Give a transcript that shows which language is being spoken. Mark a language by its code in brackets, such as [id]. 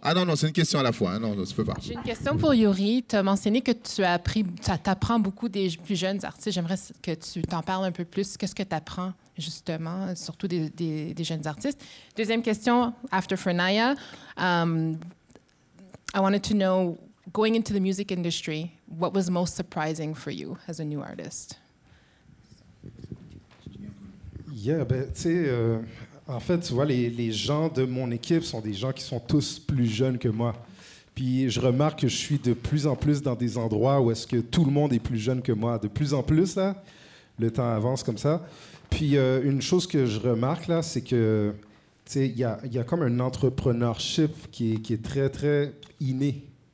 [fr] Ah non, c'est une question à la fois. Non, tu peux pas. J'ai une question pour Yuri. Tu as mentionné que tu as appris, tu apprends beaucoup des plus jeunes artistes. J'aimerais que tu t'en parles un peu plus. Qu'est-ce que tu apprends justement, surtout des jeunes artistes. Deuxième question, [en] after Frenaya, I wanted to know, going into the music industry, what was most surprising for you as a new artist? [fr] Yeah, ben, tu sais, en fait, tu vois, les gens de mon équipe sont des gens qui sont tous plus jeunes que moi. Puis je remarque que je suis de plus en plus dans des endroits où est-ce que tout le monde est plus jeune que moi. De plus en plus, là, le temps avance comme ça. Puis une chose que je remarque, là, c'est que, tu sais, il y a comme un entrepreneurship qui est très, très inné.